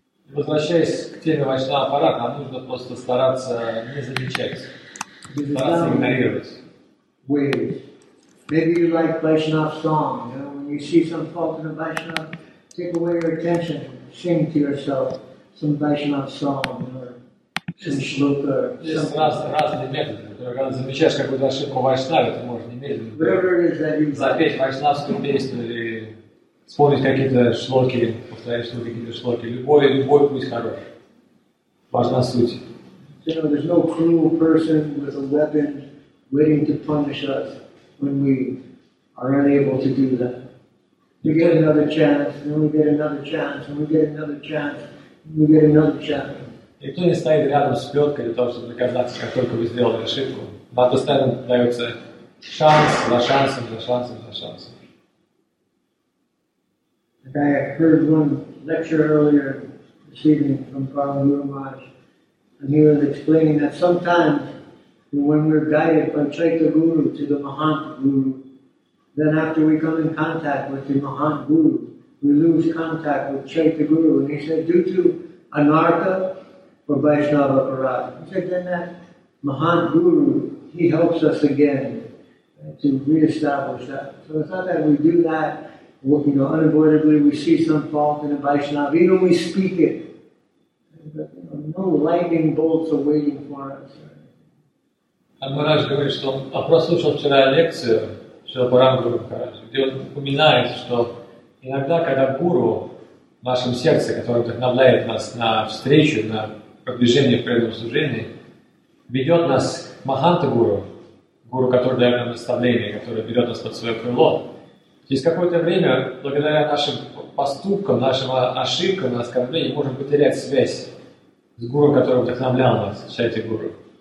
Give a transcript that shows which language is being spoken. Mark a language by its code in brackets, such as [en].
[ru] И возвращаясь к теме вайшнава аппарата, нам нужно просто стараться не замечать, стараться игнорировать. [en] Maybe you like Vaishnava song, you know, when you see some fault in a Vaishnava, take away your attention, sing to yourself some Vaishnava song, or some shloka, or something. There's no cruel person with a weapon waiting to punish us. When we are unable to do that, we get another chance, and we get another chance, and we get another chance, and we get another chance. [ru] И кто не стоит рядом с пёткой для того, чтобы доказаться, как только вы сделали ошибку, вам постоянно дается шанс за шансом, за шансом, за шансом. [en] And I heard one lecture earlier this evening from Prabhu Guru Maharaj, and he was explaining that sometimes when we're guided by Chaitanya Guru to the Mahant Guru, then after we come in contact with the Mahant Guru, we lose contact with Chaitanya Guru. And he said, due to anartha or Vaishnava Parada, he said, then that Mahant Guru, he helps us again to reestablish that. So it's not that we do that, you know, unavoidably we see some fault in a Vaishnava, even we speak it. No lightning bolts are waiting for us. [ru] Амараш говорит, что он прослушал вчера лекцию Шрила Парамгуру Махараджа, где он упоминает, что иногда, когда гуру в нашем сердце, который вдохновляет нас на встречу, на продвижение в преданном служении, ведет нас к Маханта Гуру, гуру, который дает нам наставление, который берет нас под свое крыло, через какое-то время, благодаря нашим поступкам, нашим ошибкам, на оскорблении, можем потерять связь с гуру, который вдохновлял нас, Чайти Гуру.